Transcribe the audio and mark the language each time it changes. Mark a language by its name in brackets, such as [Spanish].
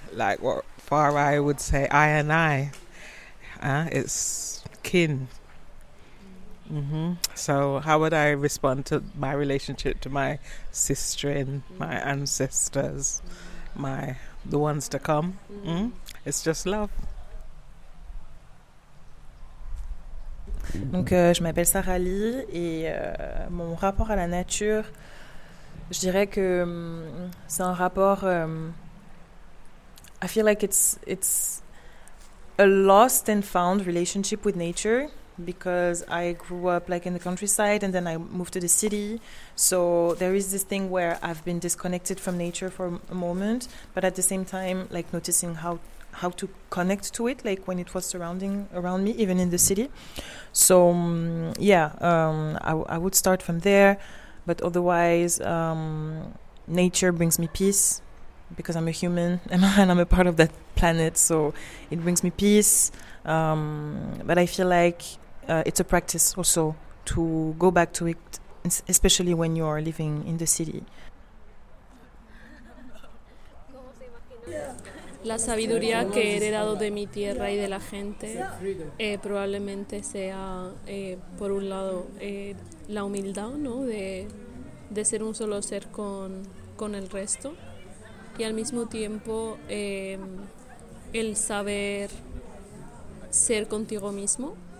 [English] like what Farai would say, I and I. It's kin. Mm-hmm. So how would I respond to my relationship to my sistren, my ancestors, my the ones to come? Mm-hmm. It's just love. [French] Donc, je m'appelle Sarah Lee et mon rapport à la nature, je dirais que c'est un rapport. [English] I feel like it's a lost and found relationship with nature. Because I grew up like in the countryside and then I moved to the city. So there is this thing where I've been disconnected from nature for a moment, but at the same time, like noticing how to connect to it, like when it was surrounding around me, even in the city. So I would start from there. But otherwise, nature brings me peace because I'm a human and I'm a part of that planet. So it brings me peace. But I feel like it's a practice also to go back to it, especially when you are living in the city. [Spanish] La sabiduría que he heredado de mi tierra y de la gente probablemente sea, por un lado, la humildad, ¿no? De ser un solo ser con el resto, y al mismo tiempo el saber ser contigo mismo.